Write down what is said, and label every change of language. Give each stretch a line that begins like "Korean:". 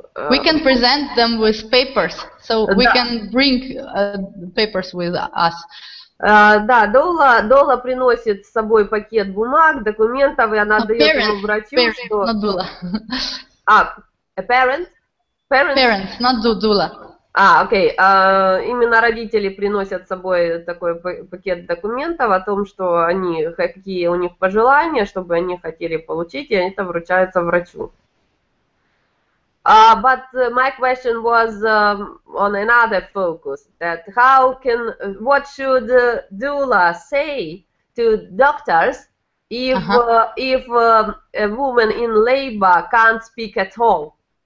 English: We can present them with papers, so we can bring papers with us.
Russian: Да, доула приносит с собой пакет бумаг, документов, и она дает ему врачу, что...
English: Not doula. Parents, not doula.
Russian: Окей. Именно родители приносят с собой такой пакет документов о том, что они, какие у них пожелания, чтобы они хотели получить, и это вручается врачу.
English: But my question was on another focus, that how can, what should doula say to doctors if if a woman in labor can't speak at all?